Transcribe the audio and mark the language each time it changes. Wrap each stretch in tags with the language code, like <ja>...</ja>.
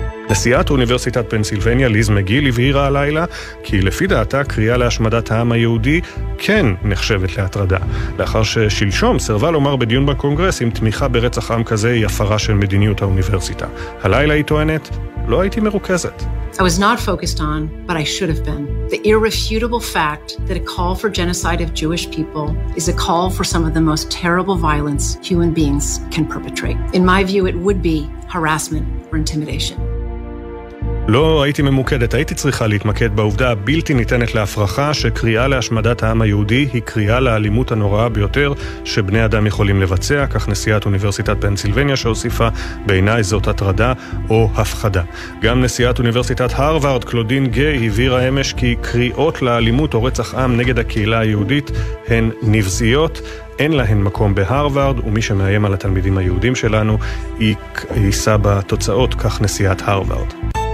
<he>נשיאת אוניברסיטת פנסילבניה ליז מגיל הבהירה הלילה כי לפי דעתה קריאה להשמדת העם היהודי כן נחשבת להטרדה. לאחר ששלשום סרבה לומר בדיון בקונגרס אם תמיכה ברצח עם כזה היא הפרה של מדיניות האוניברסיטה. הלילה היא טוענת, לא הייתי מרוכזת.</he> <en>I was not focused on, but I should have been. The irrefutable fact that a call for genocide of Jewish people is a call for some of the most terrible violence human beings can perpetrate. In my view, it would be harassment or intimidation.</en> <he>לא הייתי ממוקדת, הייתי צריכה להתמקד בעובדה הבלתי ניתנת להפרחה שקריאה להשמדת העם היהודי היא קריאה לאלימות הנוראה ביותר שבני אדם יכולים לבצע, כך נשיאת אוניברסיטת פנסילבניה שהוסיפה, בעיניי זאת הטרדה או הפחדה. גם נשיאת אוניברסיטת הרווארד קלודין גיי הבהירה אמש כי קריאות לאלימות או רצח עם נגד הקהילה היהודית הן נבזיות, אין להן מקום בהרווארד, ומי שמאיים על התלמידים היהודים שלנו יישא בתוצאות, כך נשיאת הרווארד.</he>